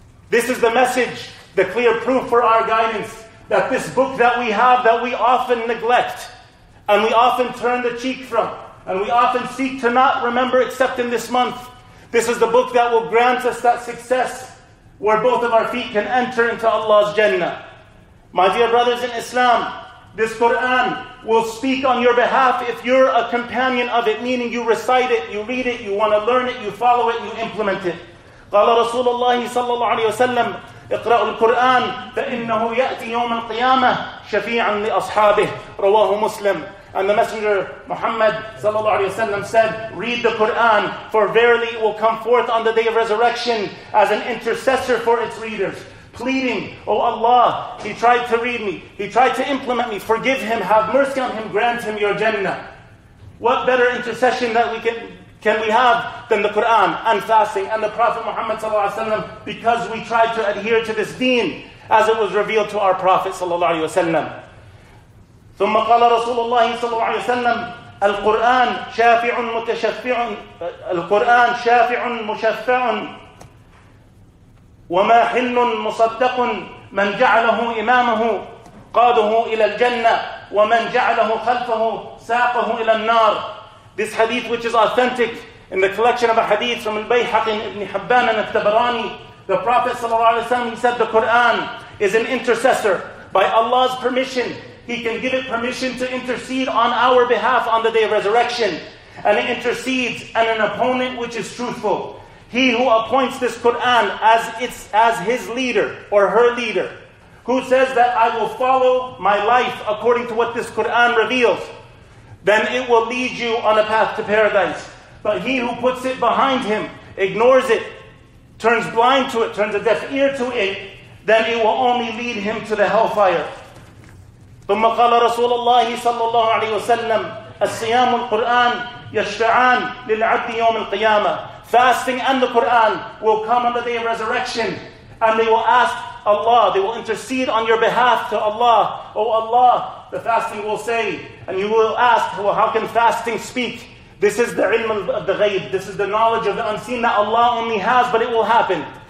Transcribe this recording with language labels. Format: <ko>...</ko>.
<en>This is the message, the clear proof for our guidance, that this book that we have, that we often neglect, and we often turn the cheek from, and we often seek to not remember except in this month, this is the book that will grant us that success where both of our feet can enter into Allah's Jannah. My dear brothers in Islam, this Quran will speak on your behalf if you're a companion of it, meaning you recite it, you read it, you want to learn it, you follow it, you implement it.</en> <ar>قال رسول الله صلى الله عليه وسلم اقرأوا القرآن فإنه يأتي يوم القيامة شفيعا لأصحابه رواه مسلم.</ar> <en>And the Messenger Muhammad sallallahu alaihi wasallam said, read the Quran, for verily it will come forth on the day of resurrection as an intercessor for its readers, pleading, O Allah, he tried to read me, he tried to implement me, forgive him, have mercy on him, grant him your Jannah. What better intercession that we can we have than the Quran and fasting and the Prophet Muhammad sallallahu alaihi wasallam, because we tried to adhere to this deen as it was revealed to our Prophet sallallahu alaihi wasallam.</en> <ar>ثم قال رسول الله صلى الله عليه وسلم القرآن شافع متشفع القرآن شافع مشفع وما حل مصدق من جعله إمامه قاده إلى الجنة ومن جعله خلفه ساقه إلى النار.</ar> <en>This hadith, which is authentic in the collection of a hadith from Al-Bayhaqi ibn Hibban and Al-Tabarani, the Prophet</en> <ar>صلى الله عليه وسلم</ar> <en>said, the Quran is an intercessor. By Allah's permission, He can give it permission to intercede on our behalf on the day of resurrection. And it intercedes, and an opponent which is truthful. He who appoints this Quran as his leader or her leader, who says that I will follow my life according to what this Quran reveals, then it will lead you on a path to paradise. But he who puts it behind him, ignores it, turns blind to it, turns a deaf ear to it, then it will only lead him to the hellfire.</en> <ar>ثم قال رسول الله صلى الله عليه وسلم الصيام القرآن يشفعان للعبد يوم القيامة.</ar> <en>Fasting and the Quran will come on the day of resurrection, and they will ask Allah, they will intercede on your behalf to Allah. Oh Allah, the fasting will say, and you will ask, well, how can fasting speak? This is the ilm of the ghayb, this is the knowledge of the unseen that Allah only has, but it will happen.</en>